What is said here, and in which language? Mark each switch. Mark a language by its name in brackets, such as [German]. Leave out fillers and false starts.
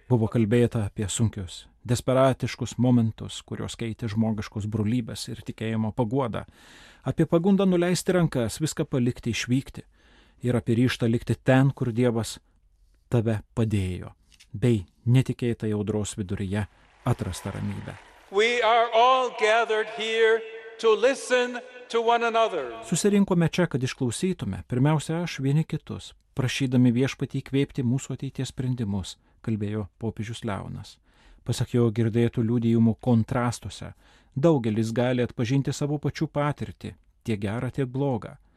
[Lithuanian] Buvo kalbėta apie sunkius, desperatiškus momentus, kurios keitė žmogiškus brolybės ir tikėjimo paguodą, apie pagundą nuleisti rankas, viską palikti, išvykti ir apie ryštą likti ten, kur Dievas tave padėjo, bei netikėtą audros viduryje atrastą ramybę. [English] We are all gathered here to listen to one another. [Lithuanian] Susirinkome čia, kad išklausytume, pirmiausia, aš vieni kitus, prašydami viešpatį įkvėpti mūsų ateities sprendimus, kalbėjo popiežius Leonas. Pasak jo girdėtų liudijimų kontrastuose, daugelis gali atpažinti savo pačių patirtį, tiek gerą, tiek blogą.